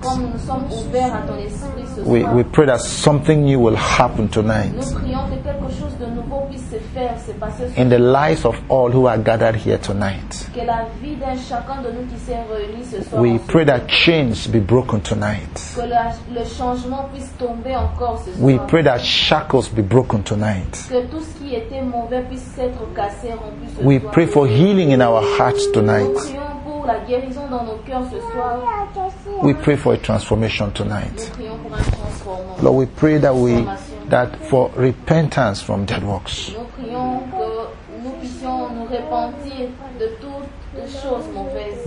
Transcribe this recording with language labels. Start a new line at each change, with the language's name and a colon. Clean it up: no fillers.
French: Comme nous sommes ouverts à ton esprit ce soir.
English: We pray that something new will happen tonight.
French: Nous prions que quelque chose de nouveau puisse se faire, se passer.
English: In the lives of all who are gathered here tonight.
French: Que la vie d'un chacun de nous qui s'est réuni ce soir.
English: We pray that chains be broken tonight.
French: Que le changement puisse tomber encore ce soir.
English: We pray that shackles be broken tonight.
French: Que tout ce qui était mauvais puisse être cassé, rompu ce soir.
English: We pray for healing in our hearts tonight.
French: Nous prions pour pour la guérison dans nos cœurs ce soir.
English: We pray for a transformation tonight. Lord, we pray that we that for repentance from dead works.
French: Nous prions que nous puissions nous repentir de toutes choses mauvaises.